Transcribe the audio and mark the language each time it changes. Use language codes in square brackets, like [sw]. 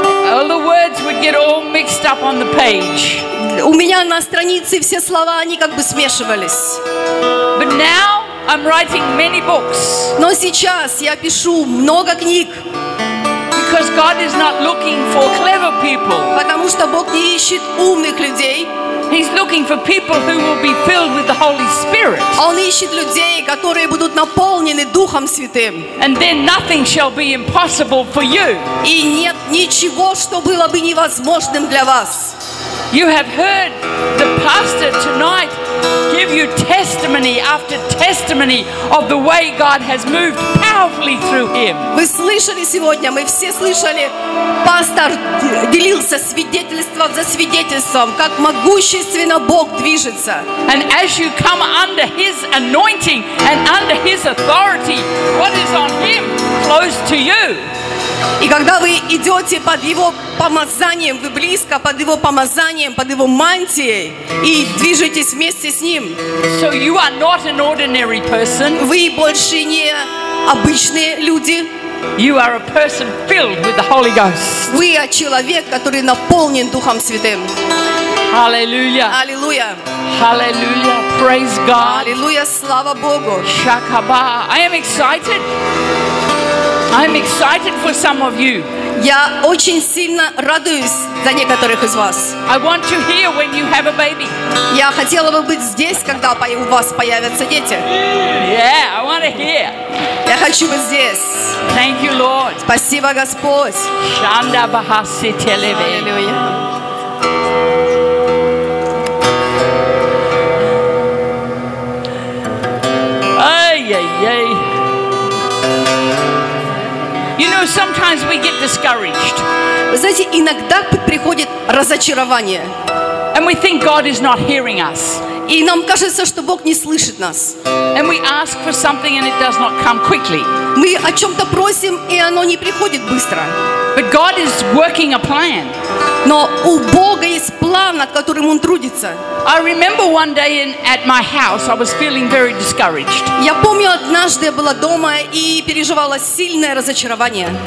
[en] All the words would get all mixed up on the page. [ru] У меня на странице все слова, они как бы смешивались. [en] But now I'm writing many books. [ru] Но сейчас я пишу много книг. [en] Because God is not looking for clever people. [ru] Потому что Бог не ищет умных людей. [en] He's looking for people who will be filled with the Holy Spirit. [ru] Он ищет людей, которые будут наполнены Духом Святым. [en] And then nothing shall be impossible for you. [ru] И нет ничего, что было бы невозможным для вас. [en] You have heard the pastor tonight give you testimony after testimony of the way God has moved powerfully through him. [ru] Вы слышали сегодня, мы все слышали, пастор делился свидетельство за свидетельством, как могущественно Бог движется. [en] And as you come under his anointing and under his authority, what is on him flows to you. [ru] И когда вы идете под его помазанием, вы близко под его помазанием, под его мантией, и движетесь вместе с ним. [en] So you are not an ordinary person. [ru] Вы больше не обычные люди. [en] You are a person filled with the Holy Ghost. [ru] Вы человек, который наполнен Духом Святым. Аллилуйя. Аллилуйя. [en] Аллилуйя. Praise God. [ru] Аллилуйя, слава Богу. [en] Шакаба. I am excited. I'm excited for some of you. [ru] Я очень сильно радуюсь за некоторых из вас. [en] I want to hear when you have a baby. [ru] Я хотела бы быть здесь, когда у вас появятся дети. [en] Yeah, I want to hear. [ru] Я хочу быть здесь. [en] Thank you, Lord. [ru] Спасибо, Господь. Шанда бахаси телеве. Аллилуйя. [en] Ай-яй-яй. You know, sometimes sometimes we get discouraged. [ru] Вы знаете, иногда приходит разочарование. [en] And we think God is not hearing us. [ru] И нам кажется, что Бог не слышит нас. [en] And we ask for something and it does not come quickly. [ru] Мы о чем-то просим, и оно не приходит быстро. [en] But God is working a plan. [ru] Но у Бога есть план, над которым Он трудится. [en] I remember one day at my house, I was feeling very discouraged. [ru] Я помню, однажды я была дома и переживала сильное разочарование.